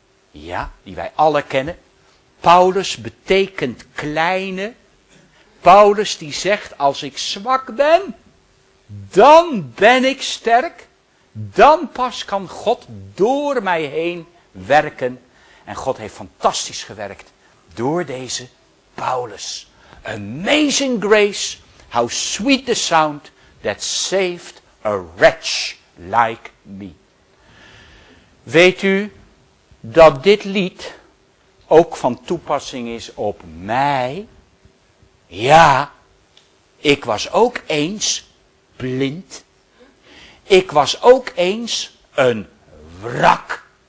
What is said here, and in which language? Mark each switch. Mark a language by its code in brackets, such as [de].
[nl] Ja, die wij alle kennen. Paulus betekent kleine. Paulus die zegt, als ik zwak ben, dan ben ik sterk. Dan pas kan God door mij heen werken. En God heeft fantastisch gewerkt door deze Paulus. [en] Amazing grace, how sweet the sound that saved a wretch like me. [nl] Weet u dat dit lied ook van toepassing is op mij? Ja, ik was ook eens blind. Ik was ook eens een wrak.